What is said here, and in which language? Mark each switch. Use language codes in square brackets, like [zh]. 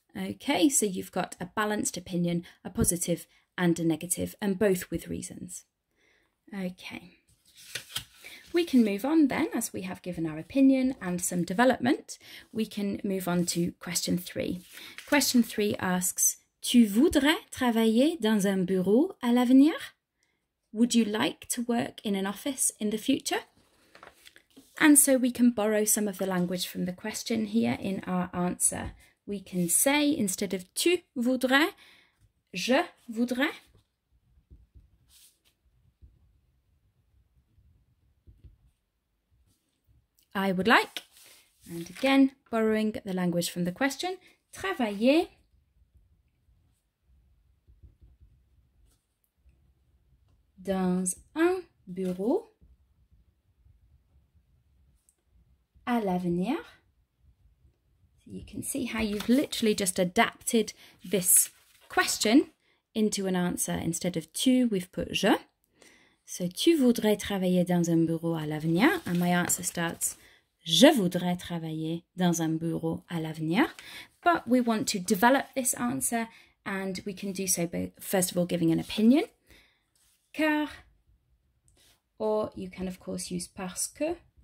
[en] Okay, so you've got a balanced opinion, a positive and a negative, and both with reasons. Okay, we can move on then, as we have given our opinion and some development, we can move on to question three. [fr] Question three asks, tu voudrais travailler dans un bureau à l'avenir? [en] Would you like to work in an office in the future? And so we can borrow some of the language from the question here in our answer. We can say, instead of [fr] tu voudrais, je voudrais. [en] I would like. And again, borrowing the language from the question, [fr] travailler. Dans un bureau à l'avenir. [en] So you can see how you've literally just adapted this question into an answer. Instead of tu, we've put je. [fr] So tu voudrais travailler dans un bureau à l'avenir. And my answer starts, je voudrais travailler dans un bureau à l'avenir. [en] But we want to develop this answer, and we can do so by first of all giving an opinion. [fr] Car, [en] or you can of course use [fr] parce que.